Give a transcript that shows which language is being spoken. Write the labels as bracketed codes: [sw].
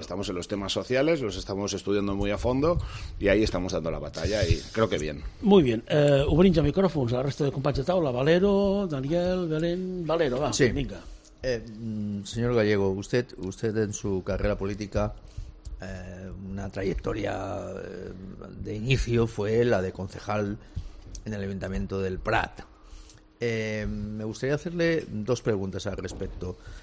[es] Estamos en los temas sociales, los estamos estudiando muy a fondo y ahí estamos dando la batalla y creo que bien. Muy bien. [ca] Obrim ja micròfons, la resta de companys de taula. Valero, Daniel, Belén... Valero, va, sí. Vinga. [es] Señor Gallego, usted en su carrera política, una trayectoria de inicio fue la de concejal en el Ayuntamiento del Prat. Me gustaría hacerle dos preguntas al respecto.